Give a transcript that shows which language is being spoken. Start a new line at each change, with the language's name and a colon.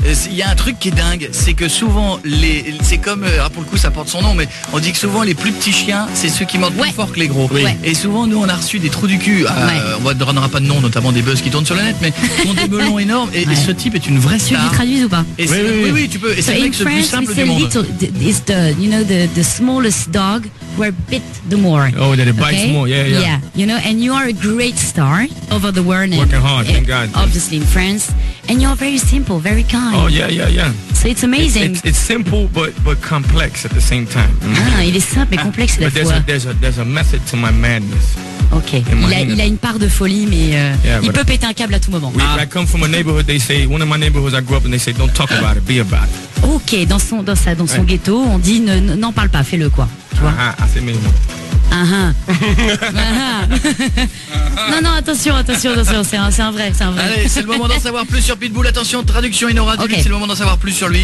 French: Il y a un truc qui est dingue, c'est que souvent, c'est comme, pour le coup ça porte son nom, mais on dit que souvent les plus petits chiens, c'est ceux qui mordent plus fort que les gros. Oui. Ouais. Et souvent nous on a reçu des trous du cul, on ne donnera pas de nom, notamment des buzz qui tournent sur le net, mais ils ont des melons énormes, et ce type est une vraie star. veux que tu traduises ou pas? Oui, tu peux, et c'est vrai que c'est le plus simple du monde.
English: It's the, you know, the smallest dog were bit the more. Oh, that it bites more, yeah. You know, and you are a great star over the world. Working hard, thank God. Obviously in France. And you're very simple, very kind. Oh, yeah. So it's amazing. It's simple, but complex at the same time.
French: Il est simple et complexe à la fois.
English: But there's a method to my madness. Okay.
French: Il a une part de folie, mais il peut péter un câble à tout moment.
English: I come from a neighborhood, they say, one of my neighborhoods I grew up in, they say, don't talk about it, be about it.
French: Okay, dans son ghetto, on dit, n'en parle pas, fais-le, quoi. Tu vois? Assez minimum. Non, attention, c'est un vrai. Allez, c'est le moment d'en savoir plus sur Pitbull. Attention, traduction in oral, c'est le moment d'en savoir plus sur lui.